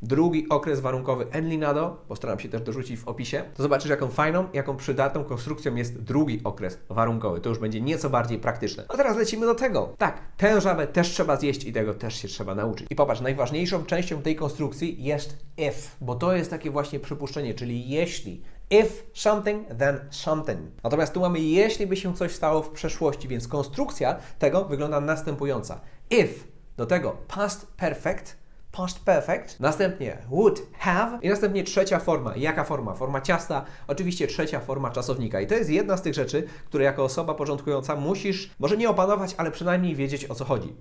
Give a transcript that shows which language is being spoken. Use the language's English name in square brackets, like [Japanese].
[Polish] Drugi okres warunkowy Enlinado, postaram się też dorzucić w opisie, to zobaczysz, jaką fajną, jaką przydatną konstrukcją jest drugi okres warunkowy. To już będzie nieco bardziej praktyczne. A teraz lecimy do tego. Tak, tę żabę też trzeba zjeść i tego też się trzeba nauczyć. I popatrz, najważniejszą częścią tej konstrukcji jest if, bo to jest takie właśnie przypuszczenie, czyli jeśli. [English] If something, then something. [Polish] Natomiast tu mamy, jeśli by się coś stało w przeszłości, więc konstrukcja tego wygląda następująca. If, do tego past perfect, past perfect, następnie would have i następnie trzecia forma. Jaka forma? Forma ciasta, oczywiście trzecia forma czasownika. I to jest jedna z tych rzeczy, które jako osoba początkująca musisz może nie opanować, ale przynajmniej wiedzieć, o co chodzi.